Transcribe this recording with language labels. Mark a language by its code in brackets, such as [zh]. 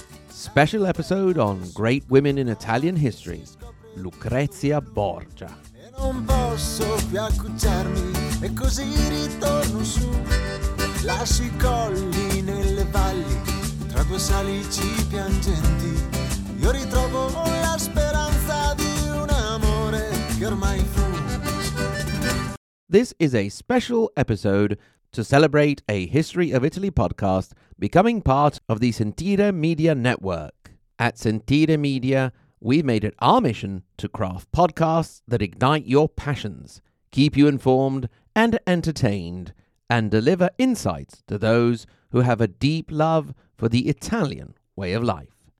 [en] Special episode on great women in Italian history, Lucrezia Borgia. [it] Non posso più accucciarmi e così ritorno su. Lascio i colli nelle valli tra due salici piangenti. Io ritrovo la speranza di un amore che ormai fu. [en] This is a special episode to celebrate a History of Italy podcast becoming part of the Sentire Media Network. At Sentire Media, we've made it our mission to craft podcasts that ignite your passions, keep you informed and entertained, and deliver insights to those who have a deep love for the Italian way of life.